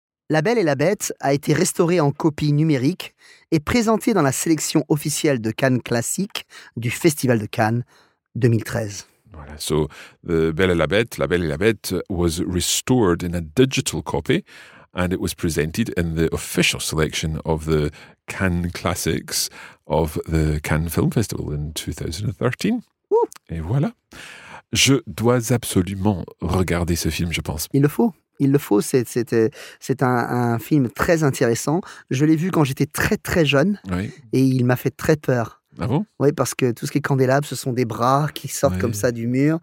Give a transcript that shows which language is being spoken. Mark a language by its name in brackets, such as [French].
[French] La Belle et la Bête a été restaurée en copie numérique et présentée dans la sélection officielle de Cannes Classique du Festival de Cannes 2013. Voilà. [English] So, the Belle et la Bête, La Belle et la Bête was restored in a digital copy and it was presented in the official selection of the Cannes Classics of the Cannes Film Festival in 2013. [French] Ouh. Et voilà. Je dois absolument regarder ce film, je pense. Il le faut. Il le faut. C'est un film très intéressant. Je l'ai vu quand j'étais très, très jeune. Oui. Et il m'a fait très peur. Ah bon? Oui, parce que tout ce qui est candélabre, ce sont des bras qui sortent comme ça du mur.